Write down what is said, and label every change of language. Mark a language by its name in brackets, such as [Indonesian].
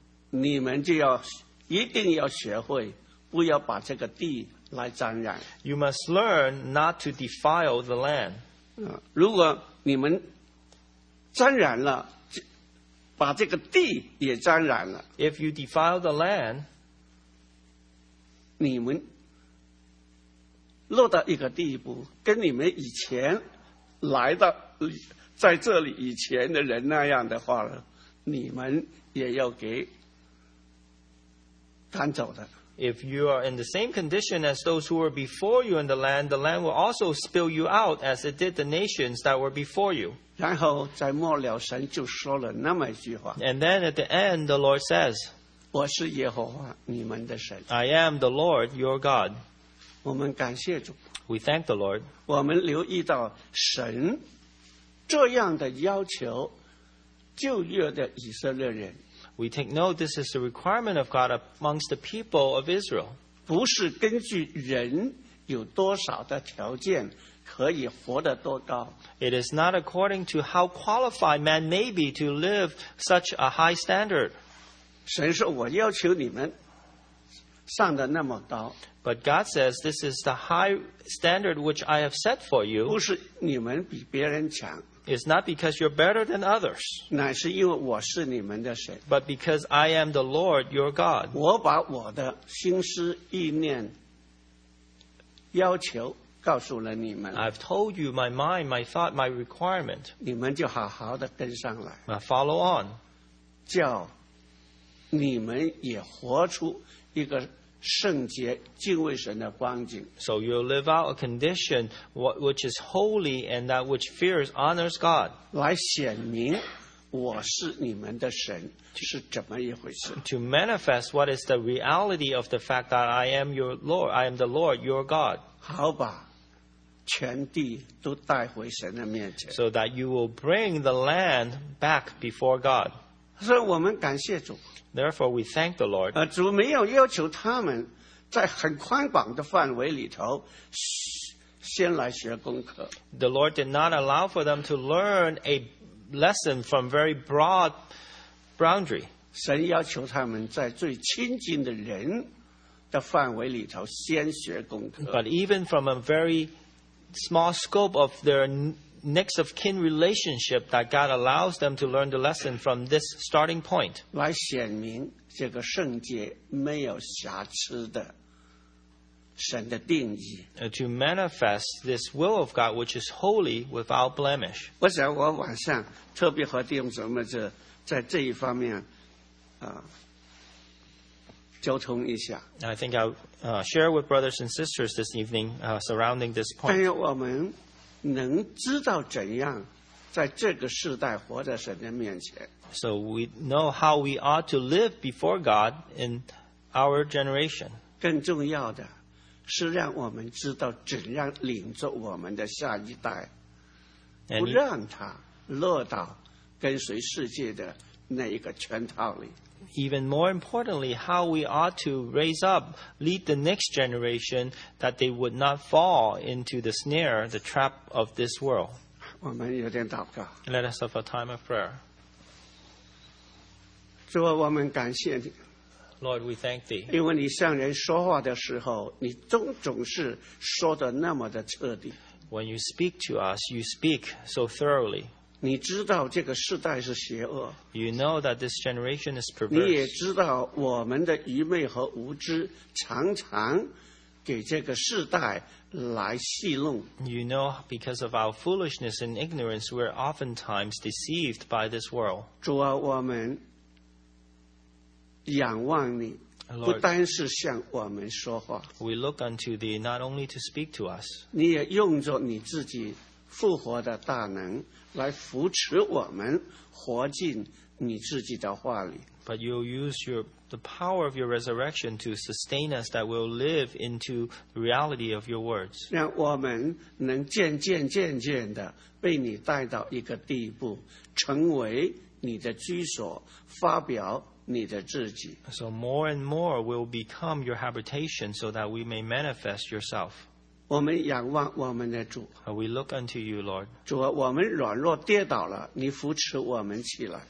[Chinese] 你们就要一定要学会不要把这个地来沾染 [English] You must learn not to defile the land. [Chinese] 如果你们沾染了。把这个地也沾染了。 [English] If you defile the land, [Chinese] 你们落到一个地步，跟你们以前来到在这里以前的人那样的话，你们也要给赶走的。 [English] If you are in the same condition as those who were before you in the land will also spill you out as it did the nations that were before you. [Chinese] 然后在末了神就说了那么一句话。 [English] And then at the end, the Lord says, [Chinese] 我是耶和华你们的神。 [English] I am the Lord, your God. [Chinese] 我们感谢主。 [English] We thank the Lord. [Chinese] 我们留意到神这样的要求旧约的以色列人。 [English] We take note this is the requirement of God amongst the people of Israel. [Chinese] 不是根据人有多少的条件可以活得多高。 [English] It is not according to how qualified man may be to live such a high standard. [Chinese] 神说我要求你们上的那么高。 [English] But God says this is the high standard which I have set for you. [Chinese] 不是你们比别人强。 [English] It's not because you're better than others. [Chinese] 乃是因为我是你们的神。 [English] But because I am the Lord, your God. [Chinese] 我把我的心思意念要求告诉了你们。 [English] I've told you my mind, my thought, my requirement. [Chinese] 你们就好好的跟上来。 [English] Now follow on. [Chinese] 叫你们也活出一个圣洁敬畏神的光景。 [English] So you live out a condition which is holy and that which fears honors God. [Chinese] 来显明我是你们的神是怎么一回事。 [English] To manifest what is the reality of the fact that I am your Lord, I am the Lord, your God. [Chinese] 好吧。全地都带回神的面前。 [English] So that you will bring the land back before God. [Chinese] 所以我们感谢主。 [English] Therefore, we thank the Lord. [Chinese] 主没有要求他们在很宽广的范围里头先来学功课。 [English] The Lord did not allow for them to learn a lesson from very broad boundary. [Chinese] 神要求他们在最亲近的人的范围里头先学功课。 [English] But even from a very small scope of their next of kin relationship that God allows them to learn the lesson from this starting point. [Chinese] 来显明这个圣洁没有瑕疵的神的定义。 [English] To manifest this will of God which is holy without blemish. [Chinese] 我想我晚上特别和弟兄姊妹这在这一方面交通一下。 [English] I think I'll share with brothers and sisters this evening surrounding this point. [Chinese] 但我们能知道怎样在这个世代活在神的面前。 [English] So we know how we ought to live before God in our generation. [Chinese] 更重要的是让我们知道怎样领着我们的下一代，不让他落到跟随世界的那一个圈套里。 [English] Even more importantly, how we ought to raise up, lead the next generation that they would not fall into the snare, the trap of this world. Let us have a time of prayer. [Chinese] 主啊，我们感谢你。 [English] Lord, we thank thee. [Chinese] 因为你向人说话的时候，你总是说的那么的彻底。 [English] When you speak to us, you speak so thoroughly. [Chinese] 你知道这个世代是邪恶。 [English] You know that this generation is perverse. [Chinese] 你也知道我们的愚昧和无知常常给这个世代来戏弄。 [English] You know, because of our foolishness and ignorance, we're oftentimes deceived by this world. [Chinese] 主啊，我们仰望你。 [English] Lord, [Chinese] 不单是向我们说话 [English] we look unto thee not only to speak to us [Chinese] 你也用着你自己复活的大能来扶持我们活进你自己的话里 [English] but you'll use the power of your resurrection to sustain us that will live into the reality of your words [Chinese] 让我们能渐渐地被你带到一个地步成为你的居所发表你的自己 [English] So more and more will become your habitation so that we may manifest yourself. [Chinese] 我们仰望我们的主 [English] We look unto you, Lord. [Chinese] 主啊，我们软弱跌倒了，你扶持我们起来。